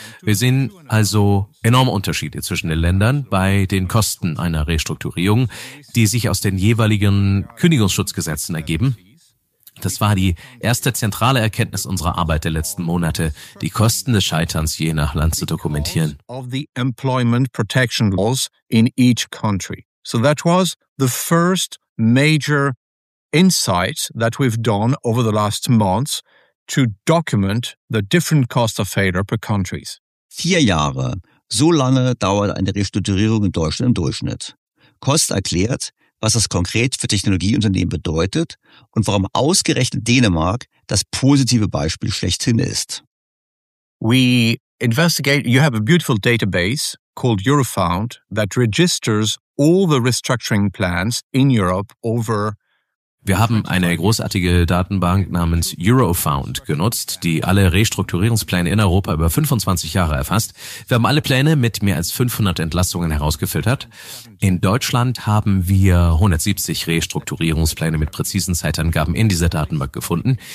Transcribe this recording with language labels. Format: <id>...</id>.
<de>Wir sehen also enorme Unterschiede zwischen den Ländern bei den Kosten einer Restrukturierung, die sich aus den jeweiligen Kündigungsschutzgesetzen ergeben. Das war die erste zentrale Erkenntnis unserer Arbeit der letzten Monate, die Kosten des Scheiterns je nach Land zu dokumentieren.</de> <en>Of the employment protection laws in each country. So that was the first major insight that we've done over the last months to document the different cost of failure per countries.</en> <de>4 Jahre, so lange dauert eine Restrukturierung in Deutschland im Durchschnitt. Kost erklärt, was das konkret für Technologieunternehmen bedeutet und warum ausgerechnet Dänemark das positive Beispiel schlechthin ist.</de> <en>We investigate, you have a beautiful database called Eurofound that registers all the restructuring plans in Europe over</en> <de>Wir haben eine großartige Datenbank namens Eurofound genutzt, die alle Restrukturierungspläne in Europa über 25 Jahre erfasst. Wir haben alle Pläne mit mehr als 500 Entlassungen herausgefiltert. In Deutschland haben wir 170 Restrukturierungspläne mit präzisen Zeitangaben in dieser Datenbank gefunden.</de>